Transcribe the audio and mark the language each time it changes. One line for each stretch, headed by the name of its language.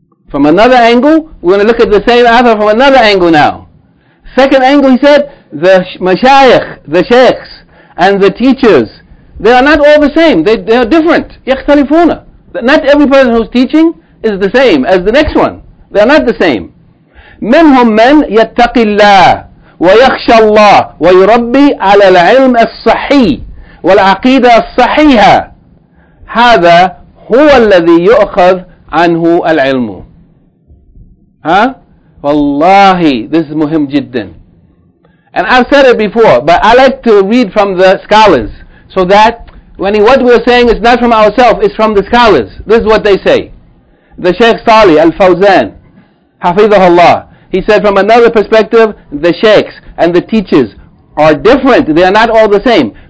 English: From another angle, we're going to look at the same author from another angle now. Second angle, he said, the مشايخ, the sheikhs, and the teachers, they are not all the same, they are different.
Arabic: يختلفون.
English: Not every person who's teaching is the same as the next one. They are not the same.
Arabic: منهم من يتقي الله ويخشى الله ويربي على العلم الصحي والعقيدة الصحيحة. هذا هو الذي يؤخذ عنه العلم.
English: Huh?
Arabic: والله,
English: this is
Arabic: مهم جدا.
English: And I've said it before, but I like to read from the scholars so that when what we're saying is not from ourselves, it's from the scholars. This is what they say. The Shaykh Saleh Al-Fawzan, حفظه الله, he said, from another perspective, the sheikhs and the teachers are different. They are not all the same.